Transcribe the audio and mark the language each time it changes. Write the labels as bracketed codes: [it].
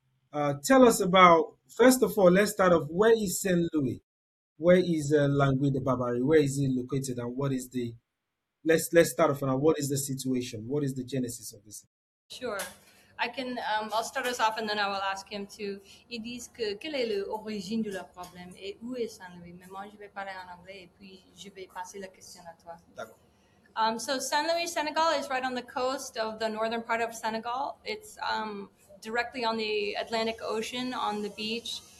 [en] Tell us about, first of all, let's start off, where is St. Louis? Where is Langue de Barbarie? Where is it located, and what is the? Let's start off now. What is the situation? What is the genesis of this? Sure, I can. I'll start us off, and then I will ask him to. [fr] Ils disent que quelle est l'origine de leur problème et où est Saint Louis. Mais moi, je vais parler en anglais et puis je vais passer la question à toi. D'accord. [en] So Saint Louis, Senegal, is right on the coast of the northern part of Senegal. It's directly on the Atlantic Ocean on the beach.